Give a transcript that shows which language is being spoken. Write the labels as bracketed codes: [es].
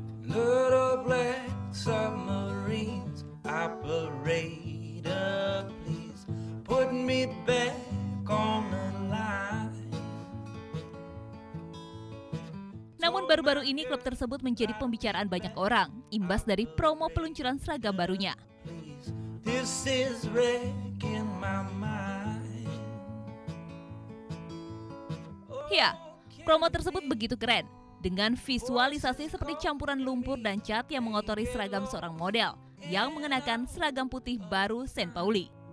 [en] Little black submarines operator, please put me back on the line. [id] Namun baru-baru ini klub tersebut menjadi pembicaraan banyak orang imbas dari promo peluncuran seragam barunya. [en] This is wrecking my mind. [id] Ya, promo tersebut begitu keren dengan visualisasi seperti campuran lumpur dan cat yang mengotori seragam seorang model yang mengenakan seragam putih baru St. Pauli.